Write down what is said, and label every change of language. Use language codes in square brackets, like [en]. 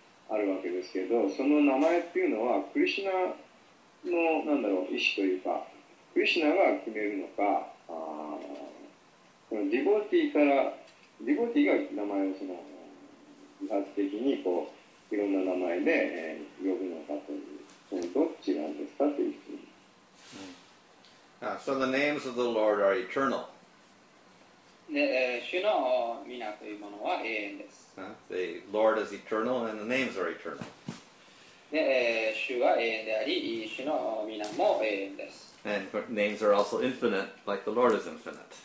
[ja] あるわけですけど、その名前っていうのはクリシナの何だろう意思というか、クリシナが決めるのか、このディボティからディボティが名前をその自発的にこういろんな名前で呼ぶのかという、そのどっちなんですかという質問。 [en] So the names of the Lord are eternal. [ja] 主の皆というものは永遠です。 [en] The Lord is eternal and the names are eternal. And names are also infinite, like the Lord is infinite.